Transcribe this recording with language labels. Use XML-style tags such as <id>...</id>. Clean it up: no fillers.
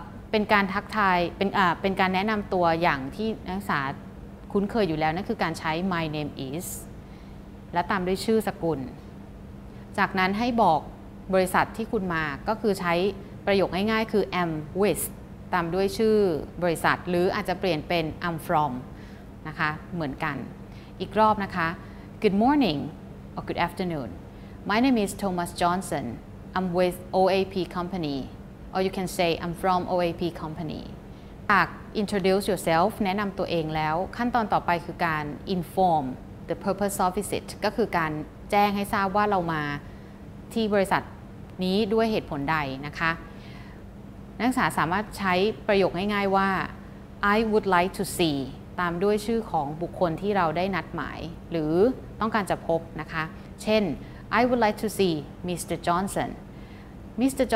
<th>เป็นการทักทายเป็นการแนะนำตัวอย่างที่นักศึกษาคุ้นเคยอยู่แล้วนั่นคือการใช้</th> <en>my name is</en> <th>และตามด้วยชื่อสกุลจากนั้นให้บอกบริษัทที่คุณมาก็คือใช้ประโยคง่ายๆคือ am with ตามด้วยชื่อบริษัทหรืออาจจะเปลี่ยนเป็น I'm from นะคะเหมือนกันอีกรอบนะคะ</th> <en>good morning or good afternoonMy name is Thomas Johnson. I'm with OAP Company. Or you can say I'm from OAP Company. Introduce yourself.</en> <th>แนะนำตัวเองแล้วขั้นตอนต่อไปคือการ</th> <en>inform the purpose of visit.</en> <th>ก็คือการแจ้งให้ทราบว่าเรามาที่บริษัทนี้ด้วยเหตุผลใดนะคะนักศึกษาสามารถใช้ประโยคง่ายๆว่า</th> <en>I would like to see ตามด้วยชื่อของบุคคลที่เราได้นัดหมายหรือต้องการจะพบนะคะเช่นI would like to see Mr. Johnson. Mr.</en>